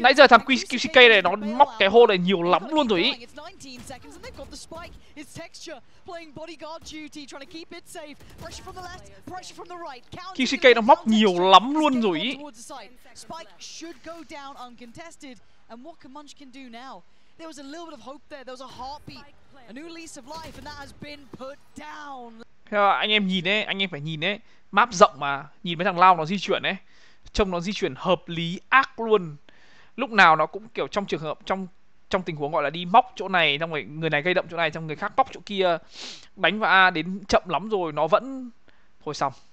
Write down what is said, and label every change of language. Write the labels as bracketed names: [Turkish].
[Vietnamese] Nãy giờ thằng QCK này nó móc cái hole này nhiều lắm luôn rồi. [English] It's 19 seconds and they've got the spike. It's texture playing bodyguard duty, trying to keep it safe. Pressure from the left, pressure from the right. [Vietnamese] QCK nó móc nhiều lắm luôn rồi. [English] Spike should go down uncontested. And what can Munchkin do now? There was a little bit of hope there. There was a heartbeat, a new lease of life, and that has been put down. [Vietnamese] Anh em nhìn ấy, anh em phải nhìn ấy, map rộng mà, nhìn mấy thằng Lao nó di chuyển ấy, trông nó di chuyển hợp lý ác luôn. Lúc nào nó cũng kiểu trong trường hợp, trong tình huống gọi là đi móc chỗ này, xong rồi người này gây động chỗ này, xong người khác bóc chỗ kia, đánh vào A đến chậm lắm rồi, nó vẫn, thôi xong.